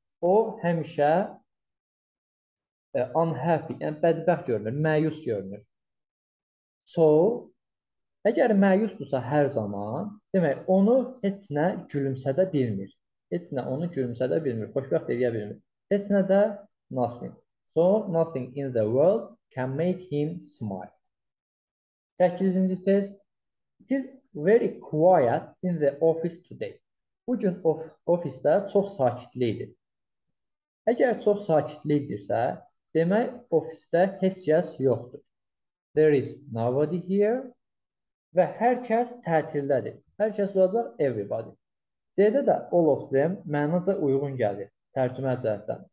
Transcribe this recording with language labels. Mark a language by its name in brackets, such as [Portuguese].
[Azerbaijani] O həmişə unhappy, yəni bədbəxt görünür, məyus görünür. So, əgər məyusdursa hər zaman, demək onu heç nə gülümsədə bilmir. Heç nə onu gülümsədə bilmir, xoşbəxt edə bilmir. Heç nə də nothing. [English] So, nothing in the world can make him smile. [Azerbaijani] 8-ci test. [English] It is very quiet in the office today. [Azerbaijani] Bugün ofisdə çox sakitlikdir. Əgər çox sakitlikdirsə, demək ofisdə heç kəs yoxdur. [English] There is nobody here. [Azerbaijani] Və hər kəs tətildədir. Hər kəs olacaq everybody. C-də də [English] all of them [Azerbaijani] mənaca uyğun gəlir tərcümə cəhətdən.